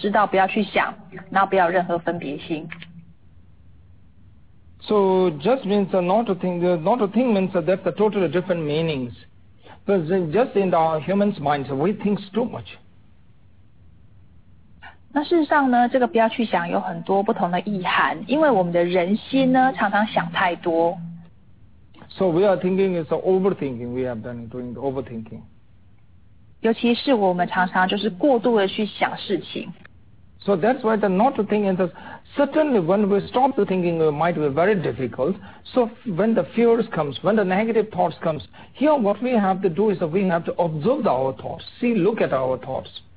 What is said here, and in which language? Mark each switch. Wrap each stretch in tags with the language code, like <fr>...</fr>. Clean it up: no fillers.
<zh>那就是说，在这个藏文版当中啊，它这个已无任何分别心，事实上它是有两个意涵。它写的是说呢，不要去想，还有不要有任何的分别心。但是我们中文的翻译只有无任何分别心，所以呢，波切意思是说，在这边我们要知道不要去想，那不要有任何分别心。</zh> <en>So just means not to think means that the totally different meanings. But just in our human's minds, we think too much.</en> <zh>那事实上呢，这个不要去想有很多不同的意涵，因为我们的人心呢常常想太多。</zh> <en>So we are thinking is overthinking. We have been doing overthinking.</en> <zh>尤其是我们常常就是过度的去想事情。</zh> <en>So that's why the not to think is certainly when we stop the thinking, it might be very difficult. So when the fears comes, when the negative thoughts comes, here what we have to do is that we have to observe our thoughts. See, look at our thoughts.</en>